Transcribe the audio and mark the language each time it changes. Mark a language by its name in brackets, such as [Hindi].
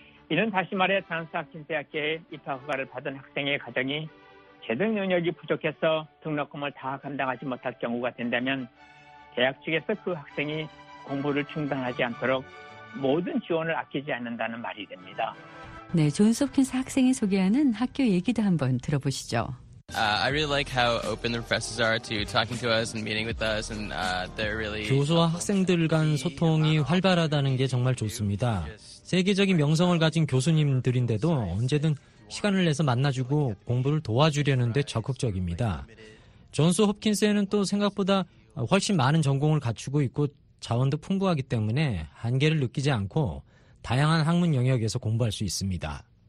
[Korean] 이는 다시 말해 존스 홉킨스 대학교의 입학 허가를 받은 학생의 가정이 재정 능력이 부족해서 등록금을 다 감당하지 못할 경우가 된다면 대학 측에서 그 학생이 공부를 중단하지 않도록 모든 지원을 아끼지 않는다는 말이 됩니다. 네, 존스 홉킨스 학생이 소개하는 학교 얘기도 한번 들어보시죠. [English] I really like how open the professors are to talking to us and meeting with us and they're really [Korean] 교수와 학생들 간 소통이 활발하다는 게 정말 좋습니다. 세계적인 명성을 가진 교수님들인데도 언제든 시간을 내서 만나주고 공부를 도와주려는 데 적극적입니다. 존스 홉킨스에는 또 생각보다 훨씬 많은 전공을 갖추고 있고 자원도 풍부하기 때문에 한계를 느끼지 않고 다양한 학문 영역에서 공부할 수 있습니다.